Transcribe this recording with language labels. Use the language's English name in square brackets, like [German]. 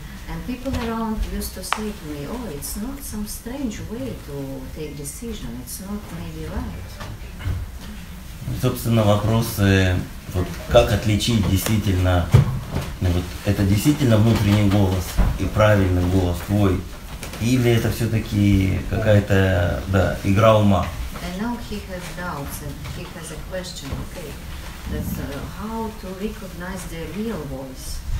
[English] And people around used to say to me, oh, it's not some strange way to take decision, it's not maybe right. [Russian] Собственно, вопросы, вот как отличить действительно, вот это действительно внутренний голос и правильный голос твой, или это все-таки какая-то, да, игра ума? [English] And now he has doubts and he has a question, okay, that's how to recognize the real voice.